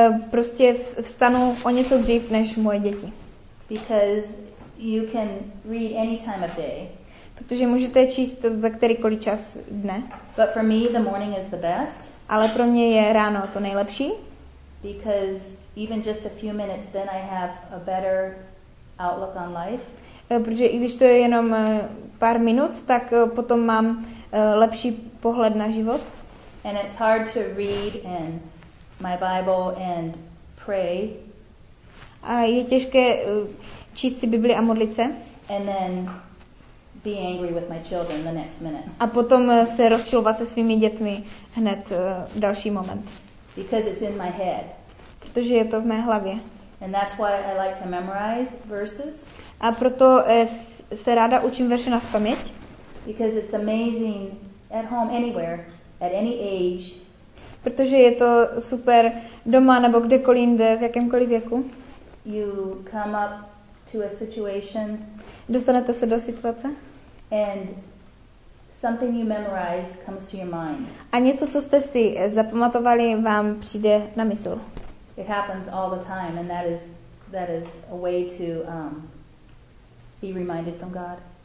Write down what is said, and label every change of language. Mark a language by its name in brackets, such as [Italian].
[Czech] Prostě vstanu o něco dřív než moje děti. [English] Because you can read any time of day. [Czech] Protože můžete číst ve kterýkoliv čas dne. [English] But for me the morning is the best. [Czech] Ale pro mě je ráno to nejlepší. [English] Because even just a few minutes then I have a better outlook on life. [Czech] Protože i když to je jenom pár minut, tak potom mám lepší pohled na život. [English] And it's hard to read and my Bible and pray. [Czech] A je těžké číst si Bibli a modlit se. [English] And then be angry with my children the next minute. [Czech] A potom se rozčilovat se svými dětmi hned další moment. [English] Because it's in my head. [Czech] Protože je to v mé hlavě. [English] And that's why I like to memorize verses. [Czech] A proto se ráda učím verše na paměť. [English] Because it's amazing at home anywhere at any age. [Czech] Protože je to super doma nebo kdekoliv jinde v jakémkoliv věku. [English] You come up to a situation. [Czech] Dostanete se do situace. [English] And something you memorized comes to your mind. [Czech] A něco, co jste si zapamatovali, vám přijde na mysl. [English] It happens all the time and that is a way to be reminded from God.